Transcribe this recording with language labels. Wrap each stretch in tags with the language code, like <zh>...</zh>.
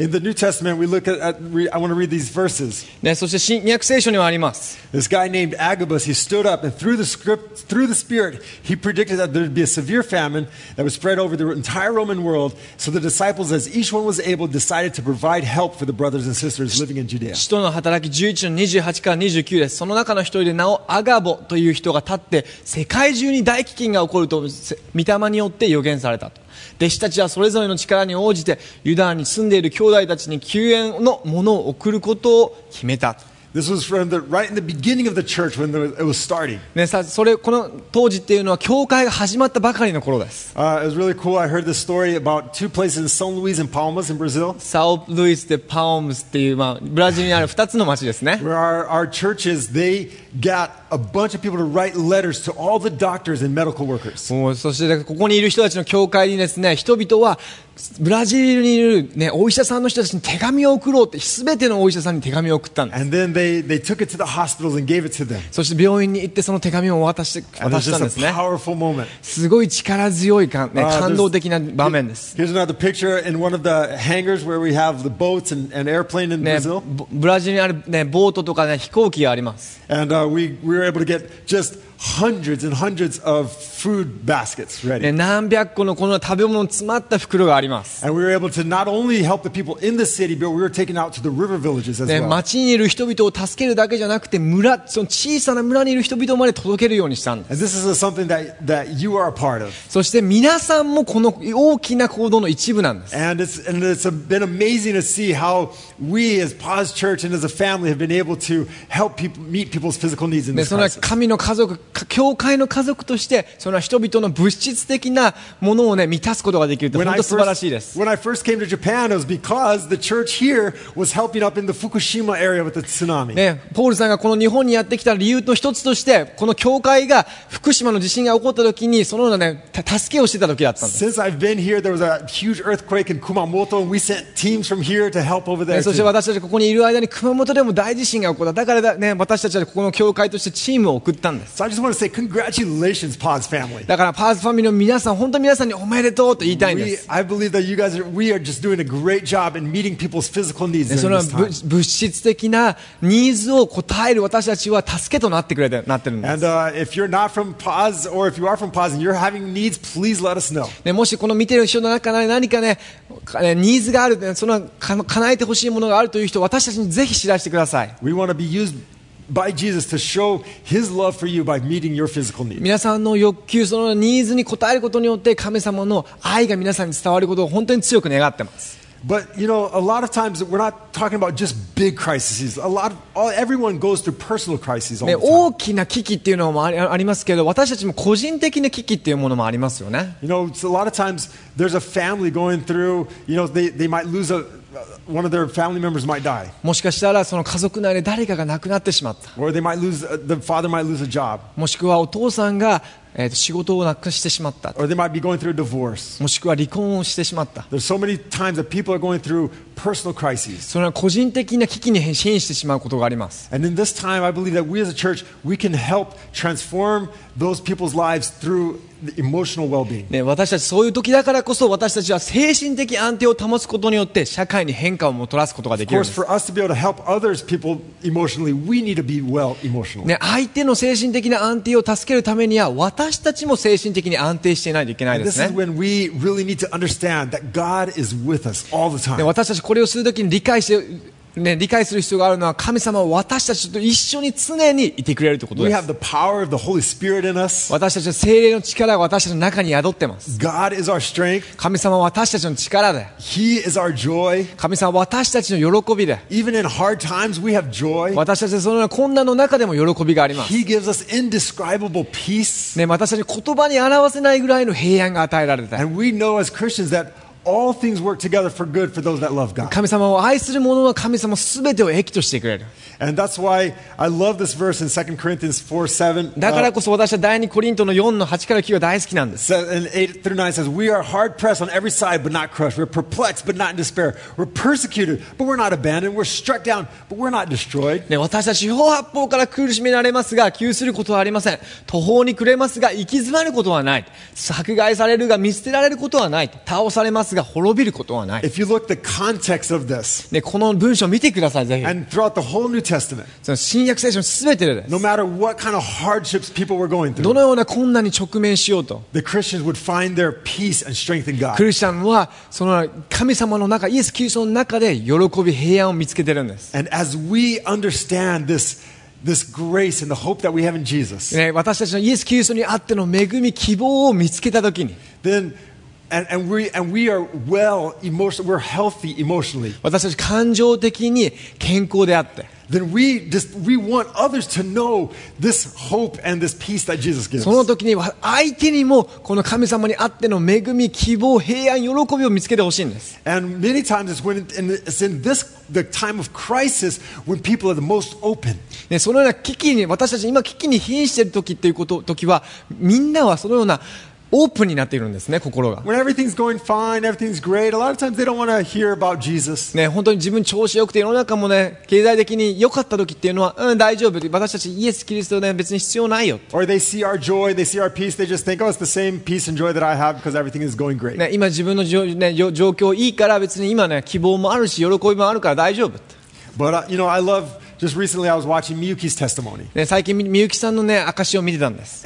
<en>In the New Testament, we look at I want to read these verses.</en> <ja>ね、そして新約聖書にはあります。</ja> <en>This guy named Agabus, he stood up and through the Spirit, he predicted that there would be a severe famine. That was spread over the entire Roman world. So the disciples, as each one was able, decided to provide help for the brothers and sisters living in Judea.</en> <ja>使徒の働き11の28から29です。その中の一人で名をアガボという人が立って、世界中に大飢饉が起こると御霊によって予言されたと。弟子たちはそれぞれの力に応じてユダに住んでいる兄弟たちに救援のものを送ることを決めた。</ja> <en>This was from the right in the beginning of the church when it was starting.</en> <ja>ね、さ、それこの当時っていうのは教会が始まったばかりの頃です。</ja> <en>It was really cool. I heard this story about two places in São Luís and Palmas in Brazil.</en> <ja>São Luís de Palmas っていう、まあ、ブラジルにある2つの町ですね。</ja> <en>Where our churches, they got a bunch of people to write letters to all the doctors and medical workers.</en> <ja>もう、そしてここにいる人たちの教会にですね、人々はブラジルにいる、ね、お医者さんの人たちに手紙を送ろうって全てのお医者さんに手紙を送ったんです。</ja> <en>And then they took it to the hospitals and gave it to them.</en> <ja>そして病院に行ってその手紙を渡したんですね。</ja> <en>And it was just a powerful moment.</en> <ja>すごい力強い、ね、感動的な場面です。</ja> <en>Here's another picture in one of the hangars where we have the boats and airplane in Brazil.</en> <ja>ブラジルにある、ね、ボートとか、ね、飛行機があります。</ja> <en>And we were able to get justHundreds and hundreds of food baskets ready.</en> <ja>何百個のこの食べ物の詰まった袋があります。</ja> <en>And we were able to not only help the people in the city, but we were taken out to the river villages as well.</en> <ja>町にいる人々を助けるだけじゃなくて、村、その小さな村にいる人々まで届けるようにしたんです。</ja> <en>And this is something that you are a part of.</en> <ja>そして皆さんもこの大きな行動の一部なんです。</ja> <en>And it's been amazing to see how we as Paz Church and as a family have been able to help people meet people's physical needs in this crisis.</en> <ja>その神の家族教会の家族としてその人々の物質的なものを、ね、満たすことができるって本当に素晴らしいです。</ja> <en>When I first came to Japan, it was because the church here was helping up in the Fukushima area with the tsunami.</en> <ja>ね、ポールさんがこの日本にやってきた理由の一つとしてこの教会が福島の地震が起こった時にそのような、ね、助けをしてた時だったんです。</ja> <en>Since I've been here, there was a huge earthquake in Kumamoto and we sent teams from here to help over there.</en> <ja>そして私たちここにいる間に熊本でも大地震が起こった。だから、ね、私たちはここの教会としてチームを送ったんです。</ja> <en>I just want to say congratulations, Paz family.</en> <ja>だからパーズファミリーの皆さん、本当に皆さんにおめでとうと言いたいんです。</ja> <en>I believe that you guys are just doing a great job in meeting people's physical needs.</en> <ja>その物質的なニーズを答える私たちは助けとなってくれてなってるんです。</ja> <en>And if you're not from Paz or if you are from Paz and you're having needs, please let us know.</en> <ja>ね、もしこの見てる人の中で何かね、ニーズがある、その叶えてほしいものがあるという人、私たちにぜひ知らせてください。</ja> <en>We want to be used. By Jesus to show His love for you by meeting your physical needs.</en> <ja>皆さんの欲求そのニーズに応えることによって神様の愛が皆さんに伝わることを本当に強く願ってます。</ja> <en>But you know, a lot of times we're not talking about just big crises. Everyone goes through personal crises all the time.</en> <ja>大きな危機っていうのもありますけど、私たちも個人的な危機っていうものもありますよね。</ja> <en>You know, a lot of times there's a family going through. You know, they might lose a. One of their family members might die.</en> <ja>もしかしたらその家族内で誰かが亡くなってしまった。</ja> <en>Or they might lose, the father might lose a job.</en> <ja>もしくはお父さんが仕事をなくしてしまった。</ja> <en>Or they might be going through a divorce.</en> <ja>もしくは離婚をしてしまった。</ja> <en>There's so many times that people are going through personal crises.</en> <ja>それは個人的な危機に変身してしまうことがあります。</ja> <en>And in this time, I believe that we as a church, we can help transform those people's lives through emotional well-being.</en> <ja>ね、私たちそういう時だからこそ私たちは精神的安定を保つことによって社会に変化をもたらすことができるんです。</ja> <en>Of course, for us to be able to help others people emotionally, we need to be well emotionally.</en> <ja>ね、相手の精神的な安定を助けるためには私たちも精神的に安定していないといけないですね。</ja> <en>And this is when we really need to understand that God is with us all the time.</en> <ja>ね、私たちこれをする時に理解してね、理解する必要があるのは神様は私たちと一緒に常にいてくれるということです</ja> <en>We have the power of the Holy Spirit in us.</en> <ja>私たちの聖霊の力が私たちの中に宿ってます</ja> <en>God is our strength.</en> <ja>神様は私たちの力だ</ja> <en>He is our joy.</en> <ja>神様は私たちの喜びだ</ja> <en>Even in hard times, we have joy.</en> <ja>私たちはそのような困難の中でも喜びがあります</ja> <en>He gives us indescribable peace.、</en> <ja>ね、私たちに言葉に表せないぐらいの平安が与えられた</ja> <en>And we know as Christians thatAll things work together for good for those that love God.</en> <ja>神様を愛する者は神様すべてを益としてくれる。</ja> <en>And that's why I love this verse in 2 Corinthians 4, 7.</en> <ja>だからこそ私は第二コリントの4の8から9が大好きなんです。</ja> <en>And 8 through 9 says, We are hard pressed on every side, but not crushed. We're perplexed, but not in despair. We're persecuted, but we're not abandoned. We're struck down, but we're not destroyed.</en> <ja>ね、私たち四方八方から苦しめられますが、窮することはありません。途方に暮れますが、行き詰まることはない。迫害されるが、見捨てられることはない。倒されますが滅びることはない。</ja> <en>If you look the context of this,</en> <ja>ね、この文章を見てください、ぜひ。</ja> <en>And throughout the whole New Testament,</en> <ja>その新約聖書のすべてです。</ja> <en>No matter what kind of hardships people were going through,</en> <ja>どのような困難に直面しようと、</ja> <en>the Christians would find their peace and strength in God.</en> <ja>クリスチャンはその神様の中、イエス・キリストの中で喜び、平安を見つけてるんです。</ja> <en>And as we understand this. This grace and the hope that we have in Jesus.</en> <ja>私たちのイエス・キリストにあっての恵み、希望を見つけたときに、</ja> <en>then and we are well emotionally, we're healthy emotionally.</en> <ja>私たち感情的に健康であって、</ja> <en>then we want others to know this hope and this peace that Jesus gives.</en> <ja>その時に相手にもこの神様にあっての恵み、希望、平安、喜びを見つけてほしいんです。</ja> <en>And many times it's in this the time of crisis when people are the most open.</en> <ja>ね、そのような危機に私たち今危機に瀕している時っていうこと時はみんなはそのようなオープンになっているんですね、心が。</ja> <en>When everything's going fine, everything's great, a lot of times they don't want to hear about Jesus.</en> <ja>ね、本当に自分調子良くて世の中もね、経済的に良かった時っていうのは、うん、大丈夫。私たちイエス・キリストで別に必要ないよ。</ja> <en>Or they see our joy, they see our peace, they just think, oh, it's the same peace and joy that I have because everything is going great.</en> <ja>ね、今自分の、ね、状況いいから別に今ね、希望もあるし、喜びもあるから大丈夫。</ja> <en>But, you know, I love... Just recently, I was watching Miyuki's testimony.</en> <ja>ね、最近みゆきさんのね、証を見てたんです。</ja>